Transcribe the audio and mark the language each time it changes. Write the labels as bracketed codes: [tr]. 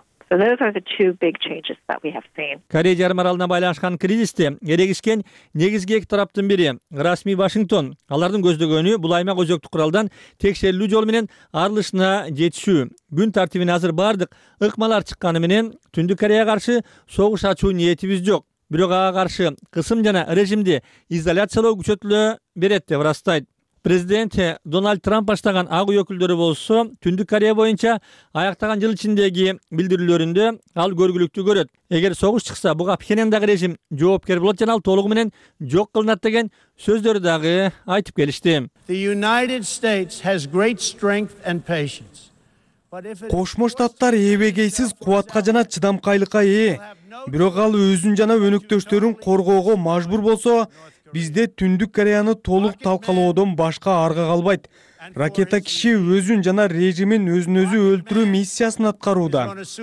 [en] So those are the two big changes that we have seen. [ky] Корея жарым аралына байланышкан кризисте эрегишкен негизги эки тараптын бири расмий Вашингтон, алардын көздөгөнү бул аймак өзөктүк куралдан текшерилүү жол менен арылышына жетишүү. Күн тартибине азыр бардык ыкмалар чыкканы менен Түндүк Кореяга каршы согуш ачуу ниетибиз жок. Бирок ага каршы кысым жана режимди изоляциялоо күчөтүлө берет деп ырастайт. Президент Дональд Трамп баштаган ак үй өкүлдөрү болсо, Түндүк Корея боюнча аяктаган жыл ичиндеги билдирүүлөрүндө ал көргүлүктүү көрөт. Эгер согуш чыкса, буга Пхеньяндагы режим жоопкер болот жана ал толугу менен жок кылынат деген сөздөрү дагы айтып келишти. [en] The United States has great strength and patience. [ky] Кошмо Штаттар эбегейсиз кубатка жана чыдамкайлыкка ээ. Бирок ал өзүн жана өнөктөштөрүн коргоого мажбур болсо, бизде Түндүк Кореяны толук талкалоодон башка аргы калбайт. Ракета киши өзүн жана режимин өзүн өзү өлтүрүү миссиясын аткарууда.